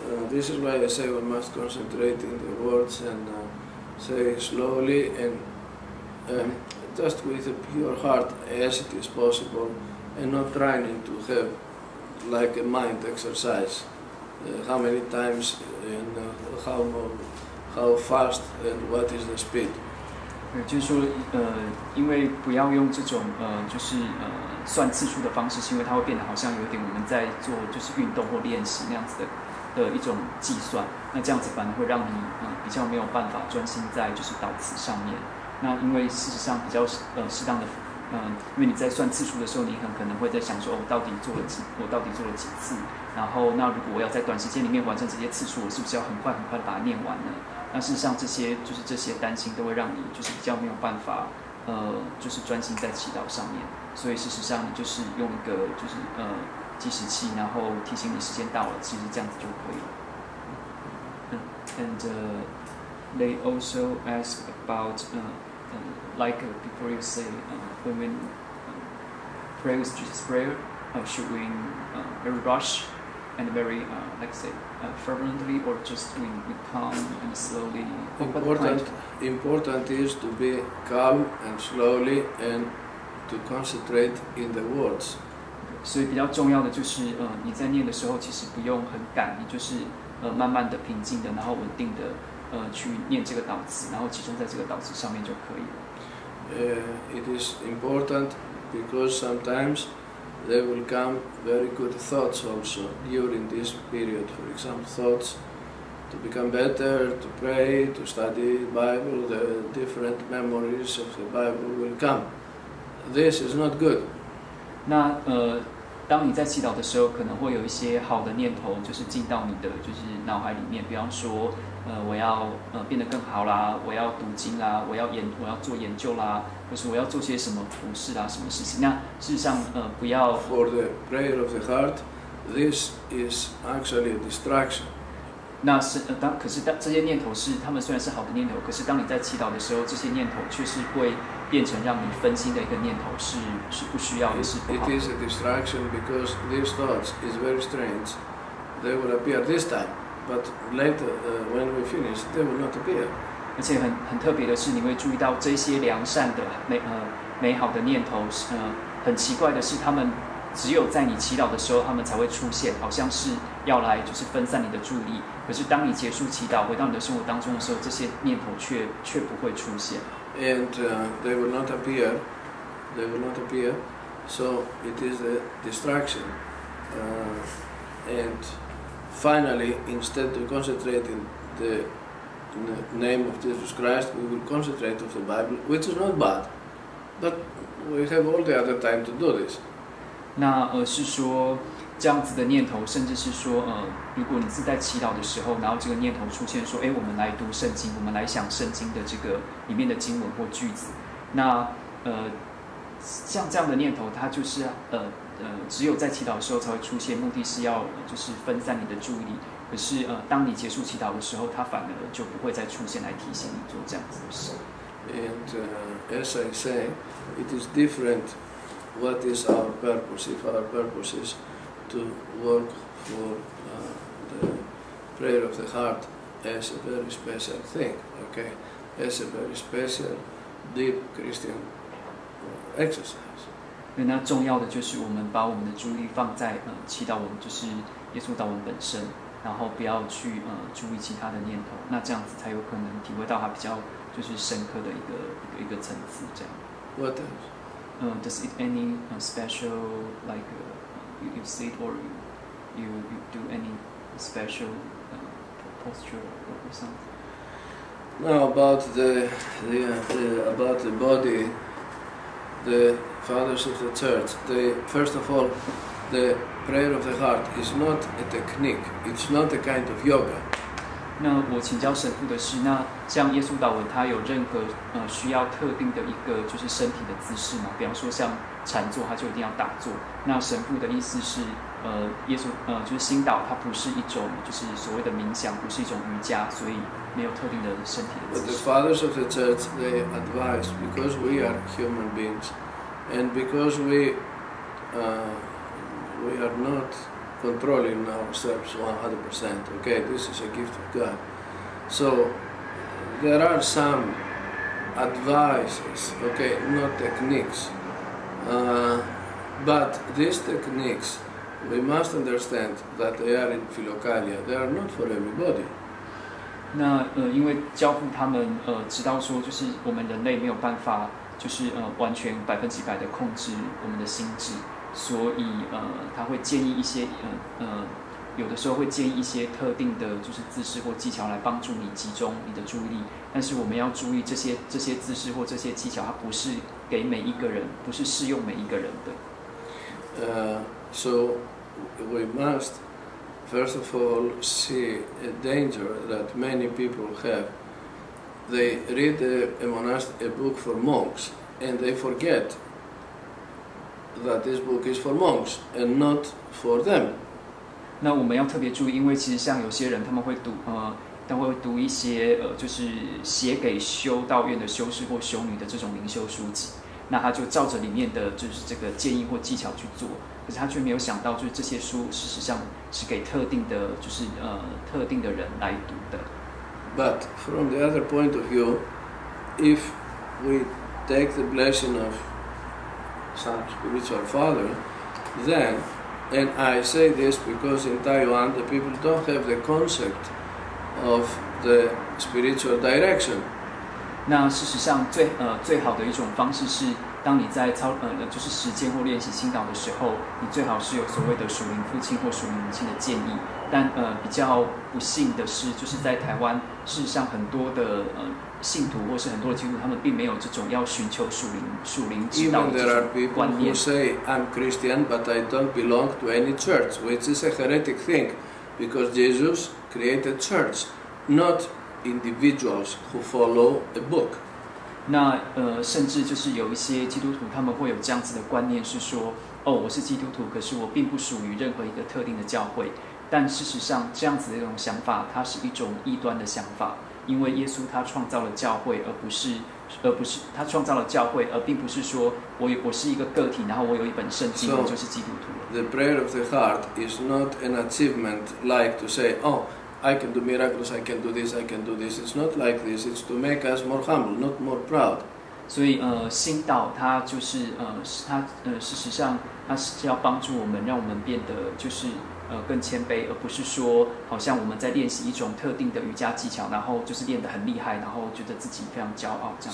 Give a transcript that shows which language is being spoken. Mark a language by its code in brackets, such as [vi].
[en] This is why I say we must concentrate in the words and say slowly and just with a pure heart as it is possible and not trying to have like a mind exercise. How many times and how fast and what is the speed? [zh] 就是说因为不要用这种就是算次数的方式，是因为它会变得好像有点我们在做就是运动或练习那样子的一种计算，那这样子反而会让你比较没有办法专心在就是祷词上面。那因为事实上比较适当的因为你在算次数的时候，你很可能会在想说，我到底做了几次？然后那如果我要在短时间里面完成这些次数，我是不是要很快的把它念完呢？那事实上这些担心都会让你就是比较没有办法就是专心在祈祷上面。所以事实上你就是用一个就是计时器，然后提醒你时间到了，其实这样子就可以了。 [en] And they also ask about before you say when pray with Jesus prayer, should we very rush and very fervently or just we calm and slowly? Important is to be calm and slowly and to concentrate in the words. [zh] 所以比较重要的就是你在念的时候其实不用很赶，你就是慢慢的平静的然后稳定的去念这个祷词，然后集中在这个祷词上面就可以了。 [en] It is important because sometimes there will come very good thoughts also during this period. For example, thoughts to become better, to pray, to study Bible, the different memories of the Bible will come. This is not good. [zh] 那当你在祈祷的时候，可能会有一些好的念头，就是进到你的就是脑海里面。比方说，我要变得更好啦，我要读经啦，我要做研究啦，或是我要做些什么服事啦，什么事情。那事实上，不要。 [en] For the prayer of the heart, this is actually a distraction. [zh] 那是可是当这些念头是他们虽然是好的念头，可是当你在祈祷的时候，这些念头却是会。变成让你分心的一个念头是不需要的，是不好的。 [en] It is a distraction because these thoughts is very strange. They will appear this time, but later, when we finish, they will not appear. [zh] 而且很特别的是，你会注意到这些良善的美好的念头，很奇怪的是，他们只有在你祈祷的时候，他们才会出现，好像是要来就是分散你的注意力。可是当你结束祈祷，回到你的生活当中的时候，这些念头却不会出现。 [en] And they will not appear. They will not appear. So it is a distraction. And finally, instead of concentrating the name of Jesus Christ, we will concentrate on the Bible, which is not bad. But we have all the other time to do this. [zh] 那是说这样子的念头，甚至是说如果你是在祈祷的时候，然后这个念头出现说，我们来读圣经，我们来想圣经的这个里面的经文或句子，那像这样的念头，它就是只有在祈祷的时候才会出现，目的是要就是分散你的注意力。可是当你结束祈祷的时候，它反而就不会再出现来提醒你做这样子的事。 [en] And as I say, it is different. What is our purpose? If our purpose is to work for the prayer of the heart as a very special thing, okay? As a very special deep Christian exercise. [zh] 那重要的就是我们把我们的注意力放在祈祷，我们就是耶稣祷文本身，然后不要去注意其他的念头，那这样子才有可能体会到它比较就是深刻的一个层次这样。 [en] What else? Does it any special like you sit or you do any special posture or something? Now about the body, the fathers of the church, they first of all, the prayer of the heart is not a technique. It's not a kind of yoga. [zh] 那我请教神父的是，那像耶稣祷文，他有任何需要特定的一个就是身体的姿势吗？比方说像禅坐，他就一定要打坐。那神父的意思是，耶稣就是心祷，它不是一种就是所谓的冥想，不是一种瑜伽，所以没有特定的身体的姿势。 [en] But the fathers of the church they advise because we are human beings, and because we are not. Controlling ourselves 100%. Okay, this is a gift of God. So there are some advices. Okay, not techniques. But these techniques, we must understand that they are in Philokalia. They are not for everybody. [zh] 那因为教父他们知道说，就是我们人类没有办法，就是完全100%的控制我们的心智。所以他会建议一些有的时候会建议一些特定的就是姿势或技巧来帮助你集中你的注意力，但是我们要注意这些姿势或这些技巧，它不是给每一个人，不是适用每一个人的。 [en] So we must first of all see a danger that many people have. They read a book for monks and they forget. That this book is for monks and not for them. [zh] 那我们要特别注意，因为其实像有些人，他们会读他会读一些就是写给修道院的修士或修女的这种灵修书籍。那他就照着里面的就是这个建议或技巧去做，可是他却没有想到，就是这些书事实上是给特定的，就是特定的人来读的。 [en] But from the other point of view, if we take the blessing of Some spiritual father, then, and I say this because in Taiwan the people don't have the concept of the spiritual direction. [zh] 那事实上最好的一种方式是，当你在操就是实践或练习心导的时候，你最好是有所谓的属灵父亲或属灵母亲的建议。但比较不幸的是，就是在台湾，事实上很多的信徒或是很多的基督徒，他们并没有这种要寻求属灵指导的这种观念。 [en] Even there are people who say I'm Christian, but I don't belong to any church, which is a heretic thing, because Jesus created church, not individuals who follow a book. [zh] 那甚至就是有一些基督徒，他们会有这样子的观念，是说我是基督徒，可是我并不属于任何一个特定的教会。但事实上，这样子的一种想法，它是一种异端的想法。因为耶稣他创造了教会，而不是他创造了教会，而并不是说我是一个个体，然后我有一本圣经，我就是基督徒。 [en] The prayer of the heart is not an achievement like to say, oh, I can do miracles, I can do this, I can do this. It's not like this. It's to make us more humble, not more proud. [zh] 所以心导它就是它事实上它是要帮助我们，让我们变得就是更谦卑，而不是说好像我们在练习一种特定的瑜伽技巧，然后就是练得很厉害，然后觉得自己非常骄傲这样。